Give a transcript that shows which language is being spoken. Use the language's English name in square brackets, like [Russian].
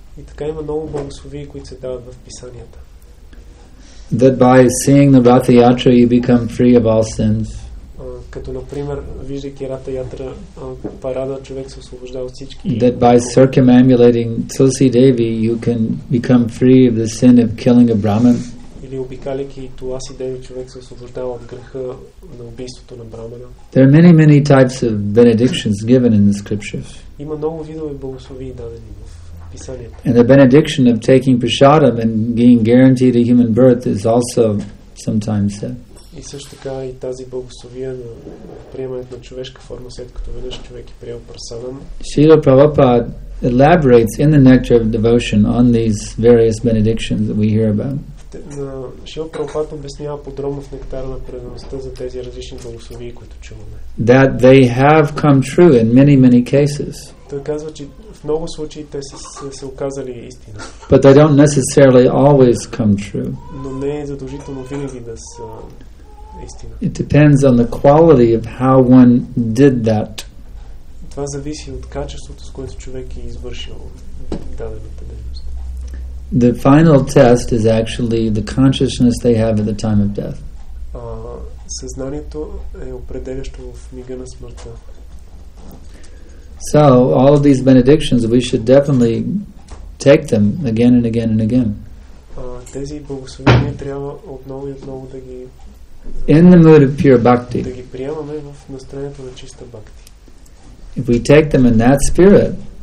[Bulgarian] И така има много благословия, които се дават в писанията. [English] That by seeing the Ratha Yatra you become free of all sins. [Bulgarian] Като например, виждайки Ратха Ятра парада, човек се освобождава от всички. [English] That by circumambulating Tulsi Devi you can become free of the sin of killing a Brahman. [Bulgarian] Или обикаляйки Туласи Деви, човек се освобождава от греха на убийството на брамана. [English] There are many, many types of benedictions given in the scriptures. [Bulgarian] Има много видове благословии дадени в писанието. [English] And the benediction of taking prasadam and being guaranteed a human birth is also sometimes said. [Bulgarian] И също така и тази благословие на приемането на човешка форма, след като веднъж човек е приел прасадам. [English] Шрила Прабхупада elaborates in the Nectar of Devotion on these various benedictions that we hear about. [Bulgarian] Шрила Прабхупада обяснява подробно в Нектара на преданността за тези различни благословия, които чуваме. [English] That they have come true in many, many cases. [Bulgarian] Той казва, че в много случаи те се оказали истина. [English] But they don't necessarily always come true. [Bulgarian] Но не е задължително винаги да са истина. [English] It depends on the quality of how one did that. [Bulgarian] Това зависи от качеството, с което човек е извършил дадената дейност. [English] The final test is actually the consciousness they have at the time of death. [Bulgarian] Съзнанието е определящо в мига на смъртта. [English] So, all of these benedictions, we should definitely take them again and again and again. [Bulgarian] Тези благословения трябва отново и отново да ги [English] in the mood of pure bhakti. [Bulgarian] Да ги приемаме в настроението на чиста бхакти. [English] If we take them in that spirit,